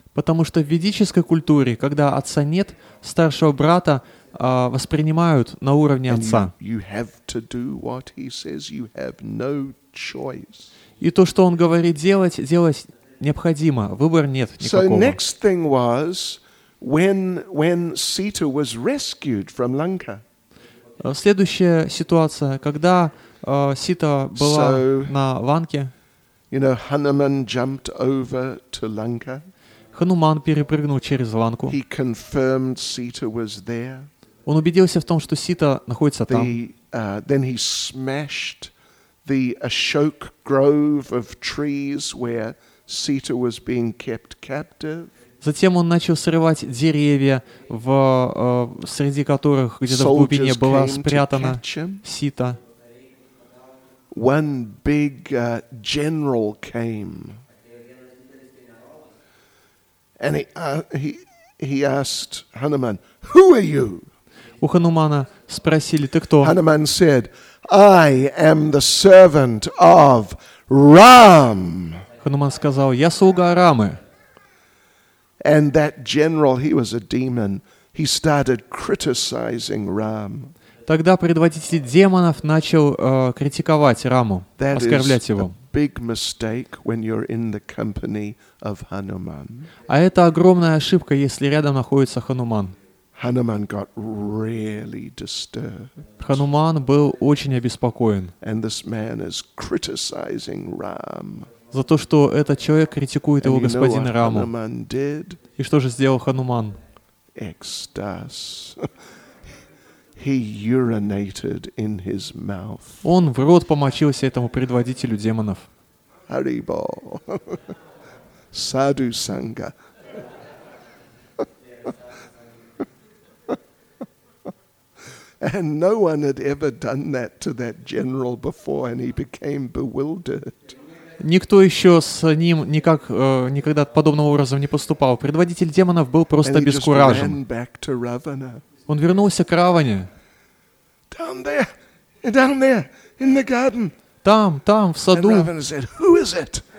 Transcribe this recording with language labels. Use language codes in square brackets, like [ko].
[ru] Потому что в ведической культуре, когда отца нет, старшего брата воспринимают на уровне отца. [en] You have to do what he says, you have no choice. [ru] И то, что он говорит делать, делать необходимо, выбора нет никакого. [en] So next thing was when Sita was rescued from Lanka. [ru] Следующая ситуация, когда Сита была на Ланке. [en] You know, Hanuman jumped over to Lanka. [ru] Хануман перепрыгнул через Ланку. [en] He confirmed Sita was there. [ru] Он убедился в том, что Сита находится там. [en] Then he smashed the Ashok grove of trees where Sita was being kept captive. [ru] Затем он начал срывать деревья, среди которых где-то в глубине была спрятана Сита. [en] One big general came, and he asked Hanuman, "Who are you?" [ru] У Ханумана спросили, ты кто? [en] Hanuman said, "I am the servant of Ram." [ru] Хануман сказал, я слуга Рамы. [en] And that general, he was a demon. He started criticizing Ram. [ru] Тогда предводитель демонов начал критиковать Раму, оскорблять его. [en] Big mistake when you're in the company of Hanuman. [ru] А это огромная ошибка, если рядом находится Хануман. [en] Hanuman got really disturbed. [ru] Хануман был очень обеспокоен. [en] And this man is criticizing Ram. [ru] За то, что этот человек критикует его господина Раму. [en] Hanuman did? [ru] И что же сделал Хануман? Экстаз. [en] He urinated in his mouth. [ru] Он в рот помочился этому предводителю демонов. Haribo. Sadhu Sangha. [en] And no one had ever done that to that general before, and he became bewildered. [ru] Никто еще с ним никак, никогда подобным образом не поступал. Предводитель демонов был просто обескуражен. Он вернулся к Раване. [en] Down there, down there, in the garden. [ru] Там, там, в саду. [en] And Ravana said, "Who is it?"